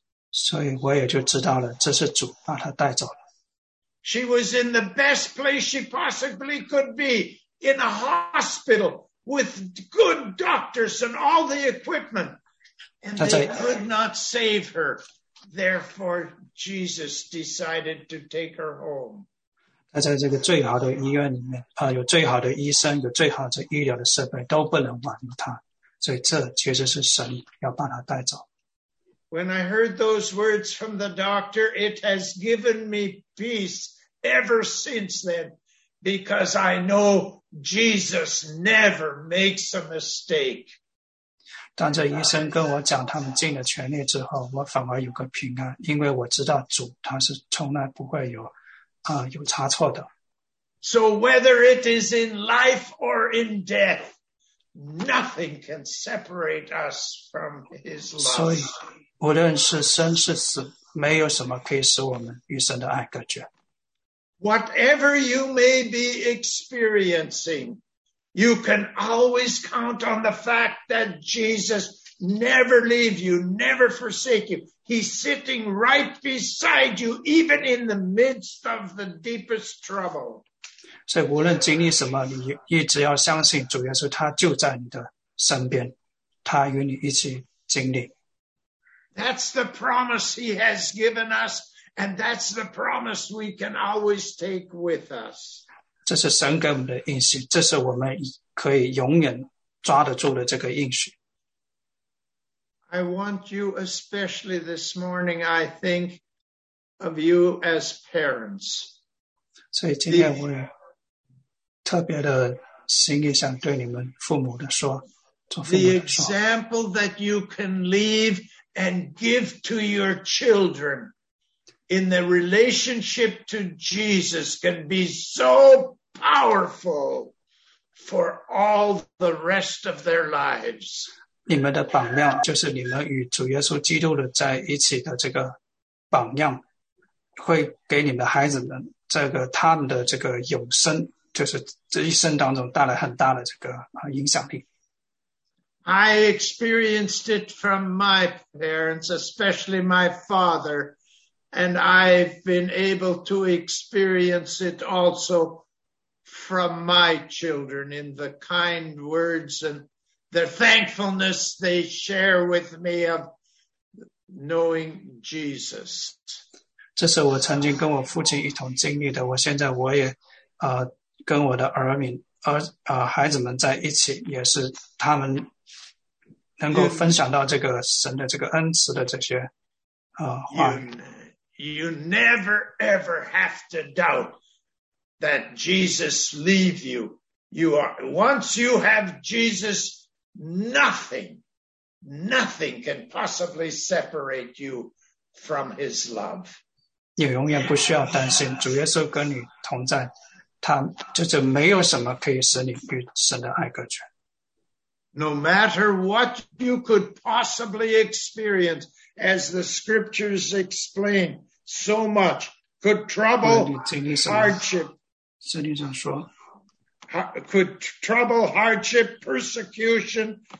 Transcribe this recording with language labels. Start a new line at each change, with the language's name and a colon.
Chinese: 所以我也就知道了，这是主把她带走了。
English: She was in the best place she possibly could be, in a hospital with good doctors and all the equipment. And they could not save her. Therefore, Jesus decided to take her home.
Chinese: 她在这个最好的医院里面，有最好的医生，有最好的医疗的设备，都不能挽留她。所以这其实是神要把她带走。
English: When I heard those words from the doctor, it has given me peace ever since then, because I know Jesus never makes a mistake.
Chinese: 当这医生跟我讲他们尽了全力之后，我反而有个平安，因为我知道主他是从来不会有差错的。
English: So whether it is in life or in death, nothing can separate us from his love.
Chinese: 所以无论是生是死，没有什么可以使我们与神的爱隔绝。
English: Whatever you may be experiencing, you can always count on the fact that Jesus never leave you, never forsake you. He's sitting right beside you, even in the midst of the deepest trouble.
Chinese: 所以无论经历什么，你一直要相信主耶稣，他就在你的身边，他与你一起经历。
English: That's the promise he has given us, and that's the promise we can always take with us.
Chinese: 这是神给我们的应许，这是我们可以永远抓得住的这个应许。
English: I want you, especially this morning, I think of you as parents.
Chinese: 所以今天我也特别的心意想对你们父母的说，做父母的说。
English: The example that you can leave and give to your children in the relationship to Jesus can be so powerful for all the rest of their lives.
Chinese: 你们的榜样就是你们与主耶稣基督的在一起的这个榜样，会给你们的孩子们这个他们的这个永生，就是这一生当中带来很大的这个影响力。
English: I experienced it from my parents, especially my father, and I've been able to experience it also from my children in the kind words and the thankfulness they share with me of knowing Jesus.
Chinese: 这是我曾经跟我父亲一同经历的，我现在我也跟我的儿女孩子们在一起，也是他们能够分享到这个神的这个恩慈的这些话。
English: You never ever have to doubt that Jesus leave you. You are, once you have Jesus, nothing can possibly separate you from his love.
Chinese: 你永远不需要担心，主耶稣跟你同在，他就是没有什么可以使你与神的爱隔绝。
English: No matter what you could possibly experience, as the scriptures explain so much, could trouble, hardship,
Chinese: 圣经上说,
English: could trouble, hardship, persecution,